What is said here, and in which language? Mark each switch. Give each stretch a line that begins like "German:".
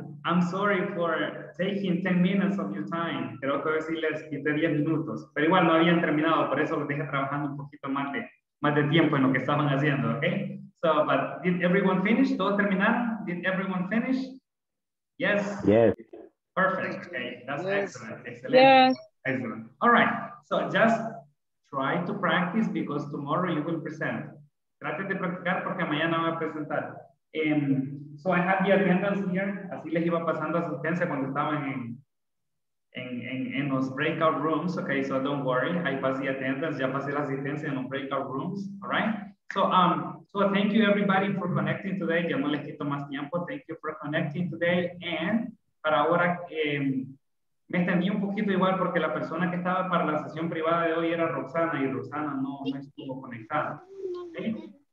English: I'm sorry for taking 10 minutes of your time.
Spanish: Creo que sí les quité 10 minutos. Pero igual no habían terminado, por eso los dejé trabajando un poquito más de... más de tiempo en lo que estaban haciendo, ¿ok?
English: So, but did everyone finish?
Spanish: ¿Todo terminar?
English: Did everyone finish? Yes. Yes. Perfect. Okay, that's excellent. All right. So, just try to practice because tomorrow you will present.
Spanish: Traten de practicar porque mañana va a presentar.
English: So, I have the attendance here.
Spanish: Así les iba pasando asistencia cuando estaban en los breakout rooms,
English: okay, so don't worry, I pass the attendance,
Spanish: ya pasé la asistencia en los breakout rooms,
English: all right? So thank you everybody for connecting today,
Spanish: ya no les quito más tiempo,
English: thank you for connecting today,
Spanish: and para ahora, me extendí un poquito igual porque la persona que estaba para la sesión privada de hoy era Roxana, y Roxana no estuvo conectada, okay?